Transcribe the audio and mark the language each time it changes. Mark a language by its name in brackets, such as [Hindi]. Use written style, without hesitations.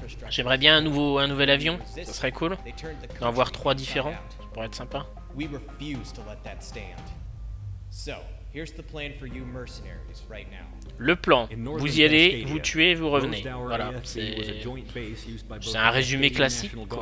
[French] J'aimerais bien un nouvel avion, ce serait cool d'en voir trois différents, ça pourrait être sympa. [English] We refuse to let that stand. So, here's the plan for you mercenaries right now. [French] Le plan, vous y allez, vous tuez, vous revenez. Voilà, c'est un résumé classique.